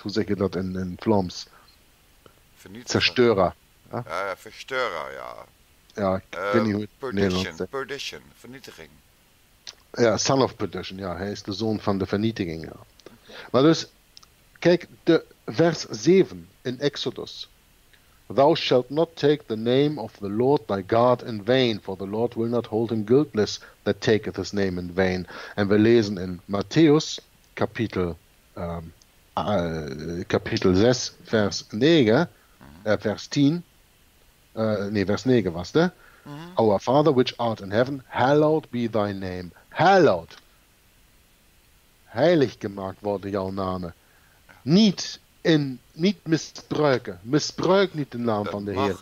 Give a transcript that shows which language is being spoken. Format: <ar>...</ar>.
<nl>Hoe zeg je dat in Vlaams? Zerstörer. Ja, Verstörer, ja. Ja, ik weet niet hoe het Perdition, vernietiging.</nl> <en>Ja, Son of Perdition, ja.</en> <nl>Hij is de zoon van de vernietiging, ja. Maar dus, kijk, de vers 7 in Exodus.</nl> <en>Thou shalt not take the name of the Lord thy God in vain, for the Lord will not hold him guiltless that taketh his name in vain.</en> <nl>En we lezen in Matthäus... Kapitel 6, vers 9, vers 10, vers 9 was de. Mm-hmm.</nl> <en>Our Father which art in heaven, hallowed be thy name. Hallowed.</en> <nl>Heilig gemaakt worden jouw name. Niet misbruiken. Misbruik niet de naam van de Heer.</nl>